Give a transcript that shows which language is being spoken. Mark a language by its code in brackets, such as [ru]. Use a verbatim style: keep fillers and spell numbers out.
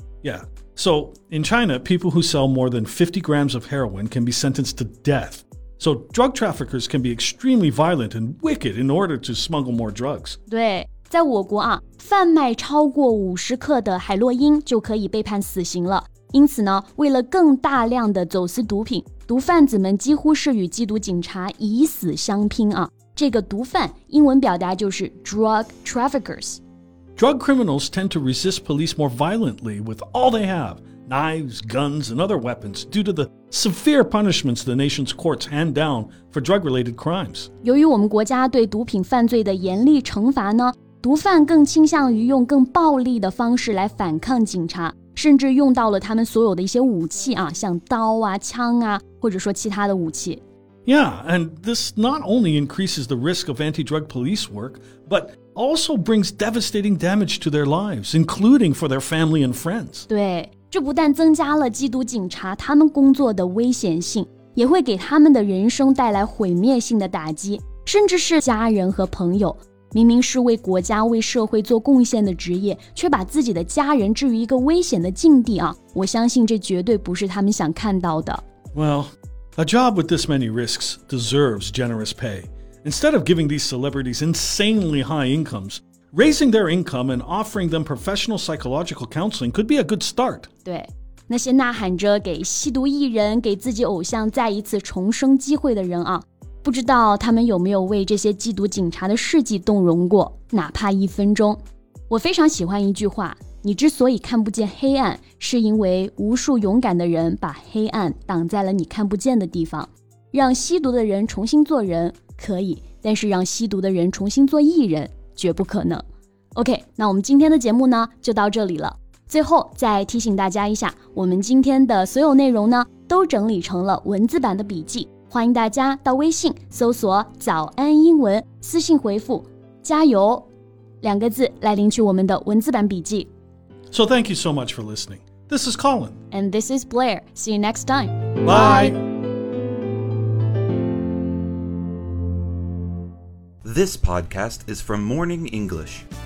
[en] Yeah, so in China, people who sell more than fifty grams of heroin can be sentenced to death. So drug traffickers can be extremely violent and wicked in order to smuggle more drugs. [zh] 对。在我国啊，贩卖超过五十克的海洛因就可以被判死刑了。因此呢，为了更大量的走私毒品，毒贩子们几乎是与缉毒警察以死相拼啊。这个毒贩英文表达就是 drug traffickers. [en] Drug criminals tend to resist police more violently with all they have, knives, guns, and other weapons, due to the severe punishments the nation's courts hand down for drug-related crimes. [zh] 由于我们国家对毒品犯罪的严厉惩罚呢，毒贩更倾向于用更暴力的方式来反抗警察，甚至用到了他们所有的一些武器啊，像刀啊、枪啊，或者说其他的武器。 Yeah, and this not only increases the risk of anti-drug police work, but also brings devastating damage to their lives, including for their family and friends. 对，这不但增加了缉毒警察他们工作的危险性，也会给他们的人生带来毁灭性的打击，甚至是家人和朋友。明明是为国家为社会做贡献的职业，却把自己的家人置于一个危险的境地啊！我相信这绝对不是他们想看到的。 [en] Well, a job with this many risks deserves generous pay. Instead of giving these celebrities insanely high incomes, raising their income and offering them professional psychological counseling could be a good start. [zh] 对，那些呐喊着给吸毒艺人、给自己偶像再一次重生机会的人啊，不知道他们有没有为这些缉毒警察的事迹动容过，哪怕一分钟。我非常喜欢一句话，你之所以看不见黑暗，是因为无数勇敢的人把黑暗挡在了你看不见的地方。让吸毒的人重新做人，可以，但是让吸毒的人重新做艺人，绝不可能。 OK, 那我们今天的节目呢，就到这里了。最后再提醒大家一下，我们今天的所有内容呢，都整理成了文字版的笔记。欢迎大家到微信搜索早安英文，私信回复加油两个字来领取我们的文字版笔记。 [en] So thank you so much for listening. This is Colin. And this is Blair. See you next time. Bye. This podcast is from Morning English.